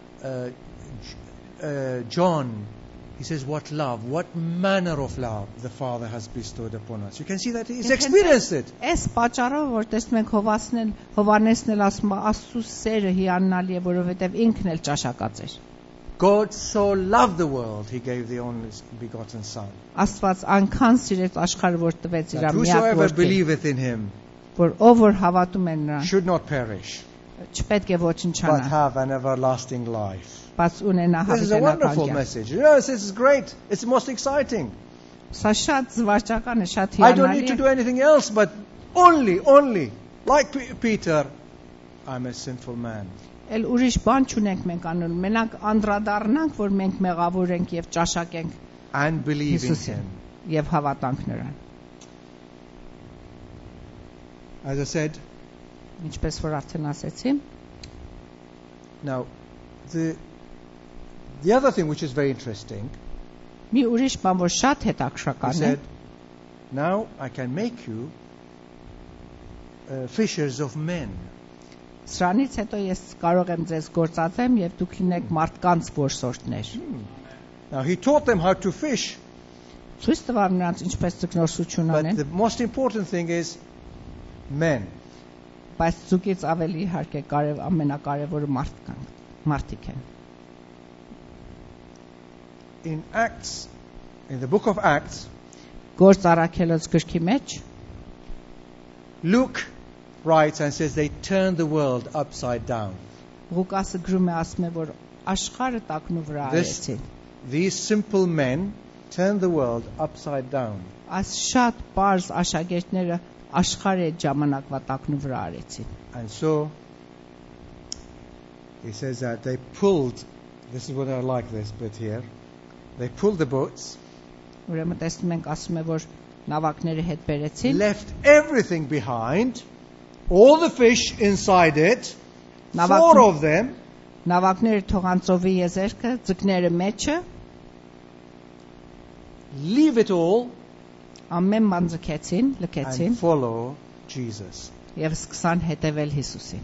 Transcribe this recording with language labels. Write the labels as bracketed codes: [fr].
[en] That's why John, he says, what love, what manner of love the Father has bestowed upon us. You can see that he's experienced it. [hy] Es պատճառով, որ տեսնում ենք Հովհաննեսն, Հովհաննեսն էլ ասում է, Աստծո սերը հիանալի է, որովհետև ինքն էլ ճաշակած էր. [en] God so loved the world, he gave the only begotten Son. [hy] Աստված անքան սիրեց աշխարհը, որ տվեց իր միակ որդին. [en] Whoever believeth in him, [hy] որ ով որ հավատում է նրան, [en] should not perish, [hy] չպետք է ոչնչանա, [en] but have an everlasting life. [hy] Բաց ունենա հավիտենականության։ [en] This is a wonderful message. You know, this is great. It's most exciting. [hy] Սա շատ զվարճական է, շատ հիանալի է. [en] I don't need to do anything else, but only, like Peter, I'm a sinful man. [hy] Էլ ուրիշ բան չունենք մենք անել, մենակ անդրադառնանք, որ մենք մեղավոր ենք եւ ճաշակենք Հիսուսին եւ հավատանք նրան։ [en] As I said, [hy] ինչպես որ արդեն ասացի, [en] now the other thing which is very interesting, [hy] մի ուրիշ բան, որ շատ հետաքրքրական է, [en] now I can make you fishers of men. [hy] Սրանից հետո ես կարող եմ ձեզ գործածեմ եւ դուք լինեք մարդկանց որսորդներ։ [en] Now he taught them how to fish. [hy] Ցույց տվավ նրանց ինչպես ծկնորսություն անեն։ [en] But the most important thing is men. [hy] Բայց ցուկից ավելի իհարկե կարև ամենակարևորը մարդկանք, մարդիկ են։ [en] In Acts, in the book of Acts, [hy] Գործ առաքելոց գրքի մեջ [en] Luke writes and says they turned the world upside down. [hy] Ռուկասը գրում է, ասում է, որ աշխարհը տակնու վրա արեցին. [en] These simple men turned the world upside down. [hy] Աս շատ պարզ աշակերտները աշխարհը այդ ժամանակվա տակնու վրա արեցին. [en] And so he says that they pulled, this is what I like this bit here, they pulled the boats. [hy] Ուրեմն տեսնում ենք, ասում է, որ նավակները հետ բերեցին. [en] Left everything behind. All the fish inside it, four of them, [hy] նավակները թողանցովի եզերքը, ձկները մեջը, [en] leave it all, [hy] ամեն բան ձգեցին, լքեցին, [en] and follow Jesus. [hy] Եվ սկսան հետևել Հիսուսին.